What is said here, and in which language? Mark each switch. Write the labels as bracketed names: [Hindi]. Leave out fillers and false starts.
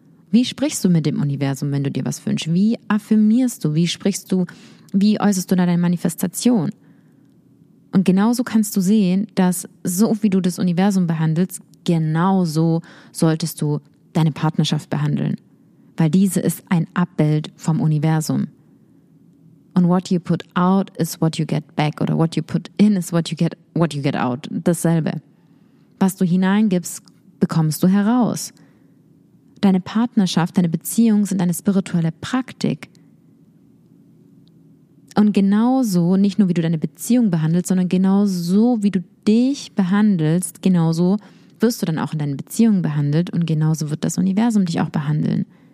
[German] Wie sprichst du mit dem Universum, wenn du dir was wünschst? Wie affirmierst du? Wie sprichst du? Wie äußerst du da deine Manifestation? Und genauso kannst du sehen, dass so wie du das Universum behandelst, genauso solltest du deine Partnerschaft behandeln. Weil diese ist ein Abbild vom Universum. Und [English] what you put out is what you get back. [German] Oder [English] what you put in is what you get out. [German] Dasselbe. Was du hineingibst, bekommst du heraus. Deine Partnerschaft, deine Beziehung sind eine spirituelle Praktik. Und genauso, nicht nur wie du deine Beziehung behandelst, sondern genauso wie du dich behandelst, genauso wirst du dann auch in deinen Beziehungen behandelt und genauso wird das Universum dich auch behandeln.